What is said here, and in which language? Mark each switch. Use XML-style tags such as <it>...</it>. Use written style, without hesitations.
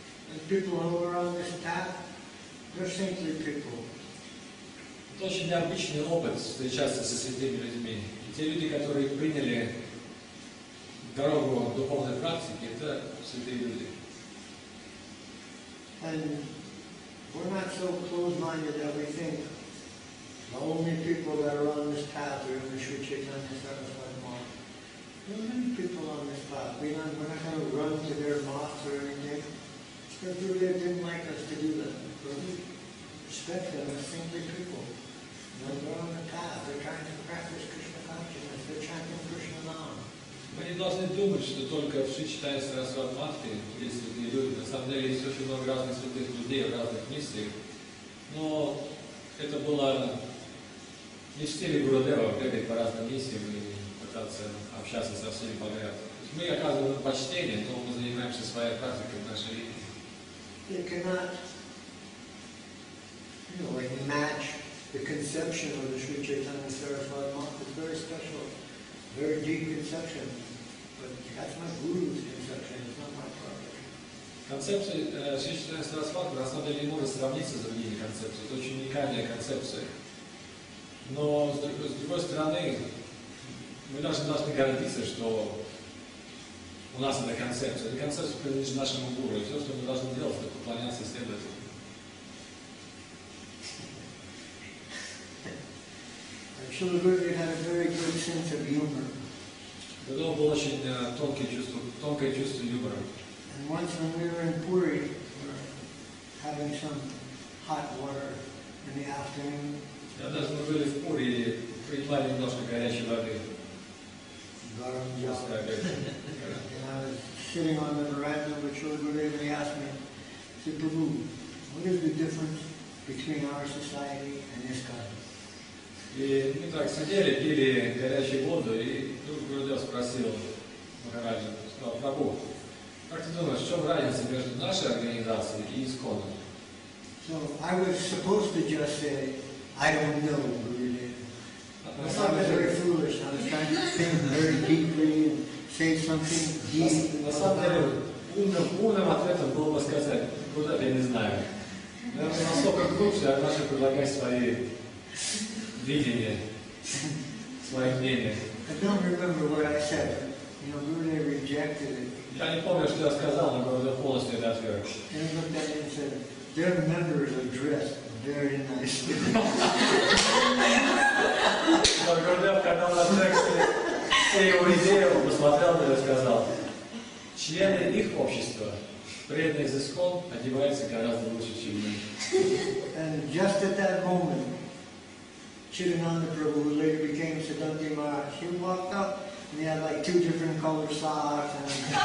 <en>And people who are on this path, they're saintly people.</en> <ru>Это очень необычный опыт встречаться со святыми людьми. И те люди, которые приняли дорогу духовной практики, это святые люди.</ru> <en>And we're not so close-minded that we think the only people that are on this path are in the Sri Chaitanya Saraswati Mark. There are many people on this path. We're not going to run to their moths or anything. It's because they didn't like us to do that. But we respect them as simply people. You know, they're on the path. They're trying to practice Krishna consciousness. They're chanting Krishna Nama.</en> <ru>Мы не должны думать, что только в Шри Чайтанья Сарасвати Матхе есть святые люди. На самом деле есть очень много разных святых людей в разных миссиях. Но это было не в стиле Гурудева бегать по разным миссиям и пытаться общаться со всеми подряд. Мы оказываем им почтение, но мы занимаемся своей практикой в нашей жизни.</ru> <en>They cannot, match the conception of the Шри Чайтанья Сарасвати Матхе. It's very special. Very deep conception, but that's my guru's conception, it's not my problem.</en> <ru>Концепция Шри Чайтанья Сарасвати на самом деле не может сравниться с другими концепциями. Это очень уникальная концепция. Но с другой стороны, мы должны гордиться, что у нас эта концепция. Эта концепция принадлежит нашему гуру, и все, что мы должны делать, это поклоняться и следовать ему.</ru> <en>Shilagurji had a very good sense of humor.</en> <ru>Это было очень тонкое чувство юмора.</ru> <en>And once when we were in Puri, we were having some hot water in the afternoon.</en> <ru>Я даже мы были в Пури и принимали немножко горячей воды.</ru> <hi>Garam jala.</hi> <en>And I was sitting on the veranda with Shilagurji and he asked me, said, Prabhu, what is the difference between our society and ISKCON?</en> <ru>И мы так сидели, пили горячую воду, и вдруг Гурудев спросил Махараджа, сказал, Прабху, как ты думаешь, в чем разница между нашей организацией и ИСККОН?</ru> <en>So I was supposed to just say, I don't know, really. I thought it was very foolish. I was trying to think very deeply and say something deep.</en> <ru>На самом деле, умным ответом было бы сказать, Гурудев, я не знаю. Но это настолько глупо, что я начал предлагать свои видение, свое мнение.</ru> <en>I don't remember what I said. You know, Guru Dev rejected it.</en> <ru>Я не помню, что я сказал, но Гурудев полностью это отверг.</ru> <en>And he looked at me and said, their members are dressed very nicely.</en> <ru>Но Гурудев, когда он на тексте все его идеи посмотрел на него и сказал, члены их общества, преданные из ИСККОН, одеваются гораздо лучше, чем мы.</ru> <en>And just at that moment, Chidananda Prabhu, who later became Siddhanti Maharaj, he walked up and he had like two different colored socks and standing up.</en>